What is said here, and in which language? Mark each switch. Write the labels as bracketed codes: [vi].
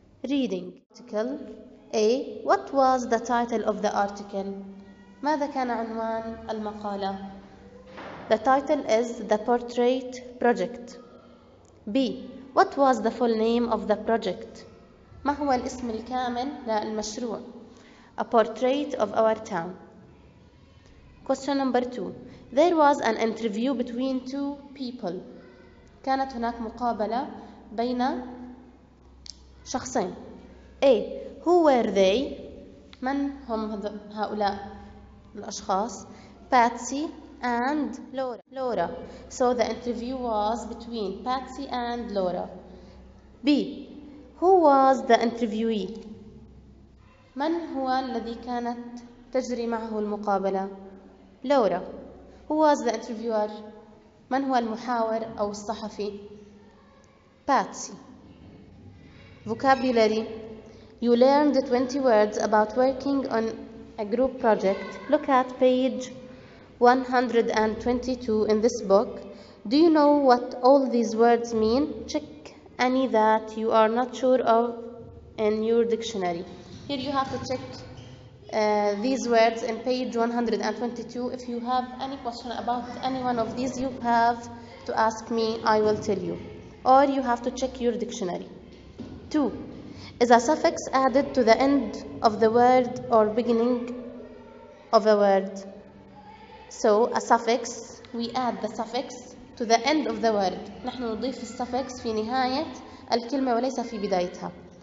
[en] Reading article A. What was the title of the article? [ar] ماذا كان عنوان المقالة؟ [en] The title is The Portrait Project. B. What was the full name of the project? [ar] ما هو الاسم الكامل للمشروع؟ [en] A portrait of our town. Question number 2. There was an interview between two people. [ar] كانت هناك مقابلة بين شخصين. [en] A. Who were they? [ar] من هم هؤلاء الأشخاص؟ [en] Patsy and Laura. So the interview was between Patsy and Laura. B. Who was the interviewee? [ar] من هو الذي كانت تجري معه المقابلة؟ Laura. [en] Who was the interviewer? [ar] من هو المحاور أو الصحفي؟ Patsy. [en] Vocabulary. You learned 20 words about working on a group project. Look at page 122 in this book. Do you know what all these words mean? Check any that you are not sure of in your dictionary. Here you have to check these words in page 122. If you have any question about any one of these, you have to ask me, I will tell you. Or you have to check your dictionary. 2. Is a suffix added to the end of the word or beginning of a word? So, a suffix, we add the suffix to the end of the word. [ar] نحن نضيف suffix في نهاية الكلمة وليس في بدايتها.